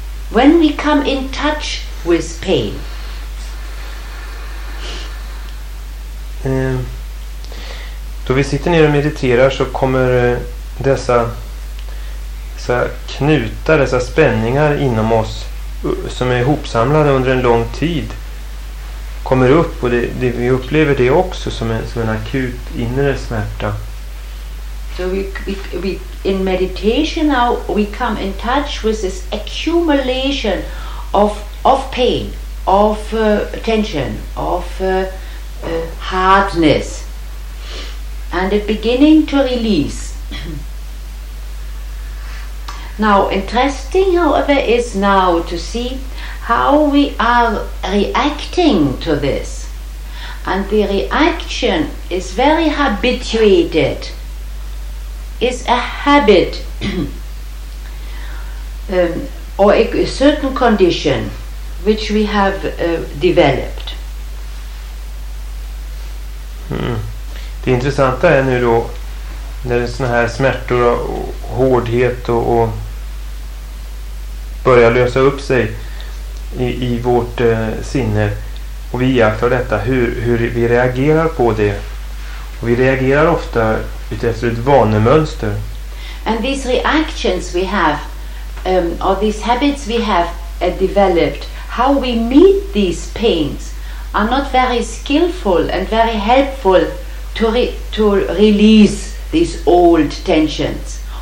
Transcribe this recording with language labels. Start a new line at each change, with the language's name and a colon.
English: When we come in touch with pain.
Swedish: Då vi sitter ner och mediterar så kommer dessa knutar, dessa spänningar inom oss som är ihopsamlade under en lång tid kommer upp, och det vi upplever det också som en akut inre smärta.
English: So we in meditation now we come in touch with this accumulation of pain, of tension, of hardness, and it beginning to release. Now interesting, however, is now to see how we are reacting to this, and the reaction is very habituated. Is a habit or a certain condition which we have developed.
Swedish: Det intressanta är nu då när det är såna här smärtor och hårdhet och börjar lösa upp sig i vårt sinne, och vi iakttar detta, hur vi reagerar på det. Och vi reagerar ofta utefter ett vanemönster.
English: And these reactions we have, or these habits we have developed, how we meet these pains, are not very skillful and very helpful to release these old tensions.